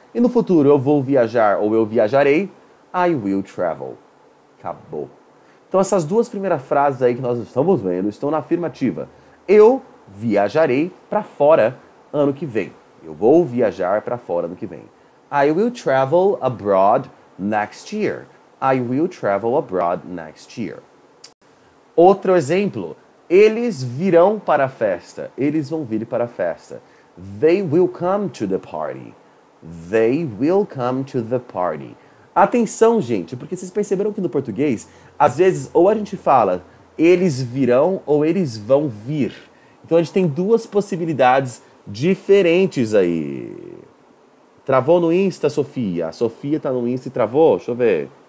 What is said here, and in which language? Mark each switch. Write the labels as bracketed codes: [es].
[pt] E no futuro eu vou viajar ou eu viajarei. [en] I will travel. [pt] Acabou. Então essas duas primeiras frases aí que nós estamos vendo estão na afirmativa. Eu viajarei para fora ano que vem. Eu vou viajar para fora ano que vem. [en] I will travel abroad next year. I will travel abroad next year. [pt] Outro exemplo. Eles virão para a festa. Eles vão vir para a festa. [en] They will come to the party. They will come to the party. [pt] Atenção, gente, porque vocês perceberam que no português, às vezes, ou a gente fala eles virão ou eles vão vir. Então a gente tem duas possibilidades diferentes aí. Travou no Insta, Sofia? A Sofia tá no Insta e travou? Deixa eu ver.